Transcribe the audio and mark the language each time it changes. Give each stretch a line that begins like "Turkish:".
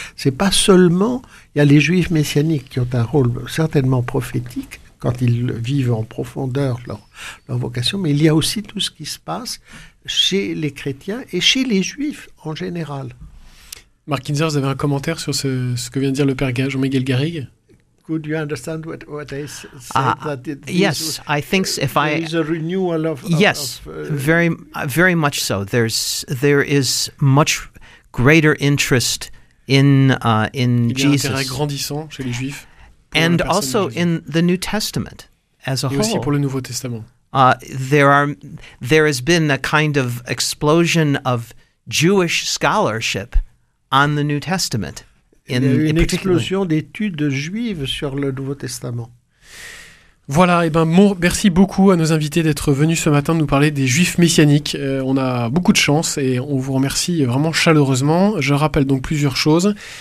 French: C'est pas seulement, il y a les juifs messianiques qui ont un rôle certainement prophétique quand ils vivent en profondeur leur vocation, mais il y a aussi tout ce qui se passe chez les chrétiens et chez les juifs en général. Marc Kinzer, vous avez un commentaire sur ce que vient de dire le père Jean-Miguel Garrigue?
English: Could you understand what I said? Yes, I think so. If there is a renewal of... Yes, of, very, very much so. There is much greater interest in Jesus.
French: Il y a un intérêt grandissant chez les Juifs.
English: And also in the New Testament as a whole.
French: Et aussi pour le Nouveau Testament.
English: There has been a kind of explosion of Jewish scholarship on the New Testament.
French: Il y a eu une explosion d'études juives sur le Nouveau Testament. Voilà, et ben merci beaucoup à nos invités d'être venus ce matin nous parler des juifs messianiques. On a beaucoup de chance et on vous remercie vraiment chaleureusement. Je rappelle donc plusieurs choses.